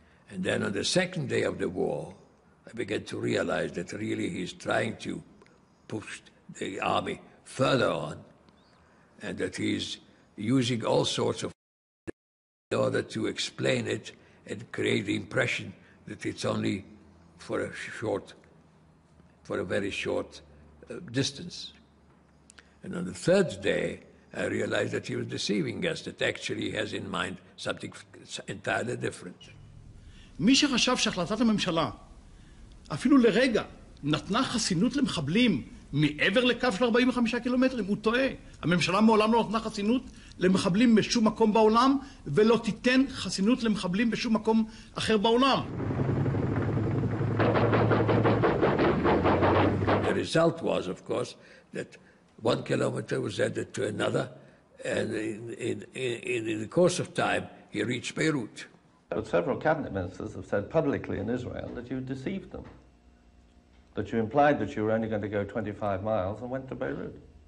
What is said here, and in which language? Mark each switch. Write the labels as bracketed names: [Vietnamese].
[English] And then on the second day of the war, I began to realize that really he's trying to push the army further on, and that he's using all sorts of in order to explain it and create the impression that it's only for a very short distance. And on the third day, I realized that he was deceiving us, that actually he has in mind something entirely different. [Hebrew] מי שחשב שהחלטת הממשלה אפילו לרגע נתנה חסינות למחבלים מעבר לקו של 45 קילומטרים, הוא טועה. הממשלה מעולם לא נתנה חסינות למחבלים בשום מקום בעולם, ולא תיתן חסינות למחבלים בשום מקום אחר בעולם. [English] The result was, of course, that 1 kilometer was added to another, and in the course of time, he reached Beirut. But several cabinet ministers have said publicly in Israel that you deceived them, that you implied that you were only going to go 25 miles and went to Beirut.